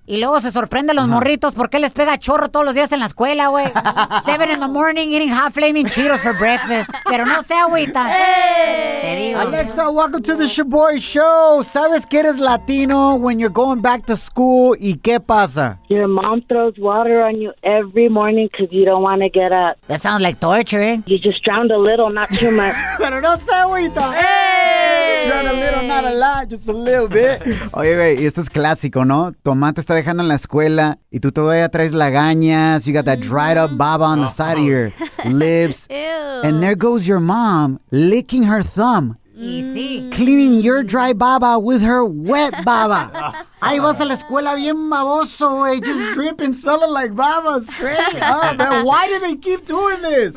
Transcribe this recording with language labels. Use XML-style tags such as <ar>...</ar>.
<es>Y luego se sorprende a los morritos porque les pega chorro todos los días en la escuela, güey.</es> <en>7 in the morning eating hot flaming Cheetos for breakfast.</en> <es>Pero no sea agüita.</es> <en>Hey!</en> <es>Te digo,</es> <en>Alexa, welcome to the Shaboy Show.</en> <es>¿Sabes que eres Latino</es> <en>when you're going back to school?</en> <es>¿Y qué pasa?</es> <en>Your mom throws water on you every morning because you don't want to get up. That sounds like torture, eh? You just drowned a little, not too much.</en> <es>Pero no sea agüita.</es> <en>Hey! Just a little, not a lot, just a little bit.</en> <es>Oye, güey, esto es clásico, ¿no? Tu mamá te está dejando en la escuela y tú todavía traes lagañas.</es> <en>You got that dried up baba on the side of your lips. Ew. And there goes your mom licking her thumb. Easy. Cleaning your dry baba with her wet baba.</en> <es>Ahí vas a la escuela bien baboso, güey.</es> <en>Just dripping, smelling like baba. Straight up, man. Why do they keep doing this?</en>